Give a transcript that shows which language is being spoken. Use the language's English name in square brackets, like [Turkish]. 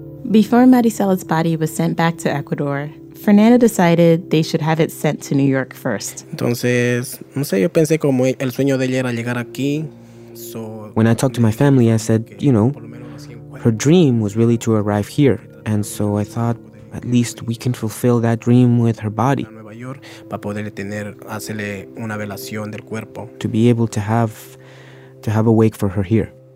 [English] Before Maricela's body was sent back to Ecuador, Fernanda decided they should have it sent to New York first. [Spanish] Entonces, no sé, yo pensé como el sueño de ella era llegar aquí. [English] When I talked to my family, I said, you know, her dream was really to arrive here. And so I thought, at least we can fulfill that dream with her body. To be able to have a wake for her here.